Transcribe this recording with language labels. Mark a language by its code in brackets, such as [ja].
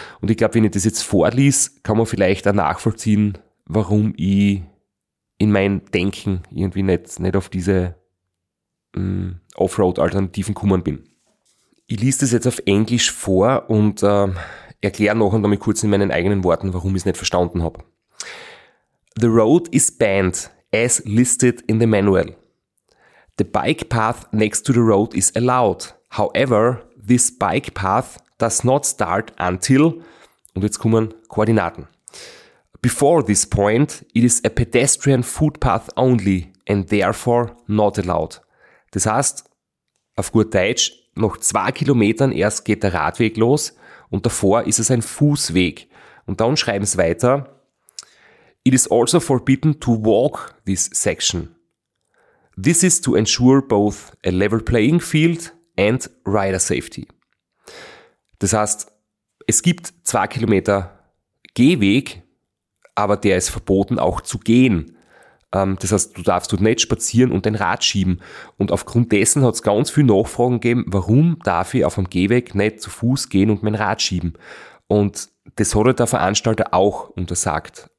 [de] Und ich glaube, wenn ich das jetzt vorlese, kann man vielleicht auch nachvollziehen, warum ich in mein Denken irgendwie nicht auf diese Offroad-Alternativen gekommen bin. Ich lese das jetzt auf Englisch vor und erkläre noch einmal kurz in meinen eigenen Worten, warum ich es nicht verstanden habe. [en] The road is banned, as listed in the manual. The bike path next to the road is allowed. However, this bike path does not start until, [de] und jetzt kommen Koordinaten. [en] Before this point, it is a pedestrian footpath only and therefore not allowed. [de] Das heißt, auf gut Deutsch, nach 2 Kilometern erst geht der Radweg los und davor ist es ein Fußweg. Und dann schreiben sie weiter. [en] It is also forbidden to walk this section. This is to ensure both a level playing field and rider safety. [de] Das heißt, es gibt 2 Kilometer Gehweg, aber der ist verboten auch zu gehen. Das heißt, du darfst dort nicht spazieren und dein Rad schieben. Und aufgrund dessen hat es ganz viele Nachfragen gegeben, warum darf ich auf dem Gehweg nicht zu Fuß gehen und mein Rad schieben? Und das hat der Veranstalter auch untersagt.